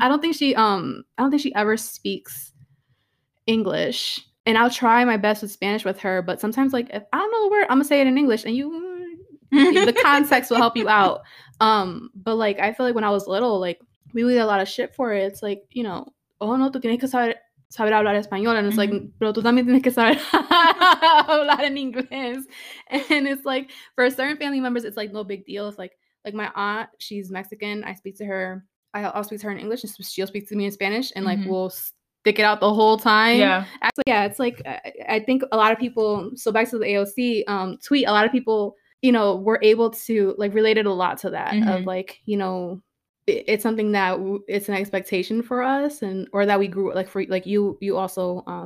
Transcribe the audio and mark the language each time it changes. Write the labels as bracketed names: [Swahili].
[English] I don't think she ever speaks English. And I'll try my best with Spanish with her, but sometimes, like, if I don't know the word, I'm going to say it in English, and the context will help you out. But, like, I feel like when I was little, like, we would get a lot of shit for it. [Spanish] It's like, you know, oh, no, tú tienes que saber hablar español. And it's like, pero tú también tienes que saber hablar en inglés. [English] And it's like, for certain family members, it's, like, no big deal. It's like my aunt, she's Mexican. I'll speak to her in English, and she'll speak to me in Spanish, and, like, we'll stick it out the whole time. Yeah. Actually, yeah, it's like, I think a lot of people, so back to the AOC tweet, a lot of people, you know, were able to, like, related a lot to that of, like, you know, it's something that it's an expectation for us or that we grew, like, for, like, you also.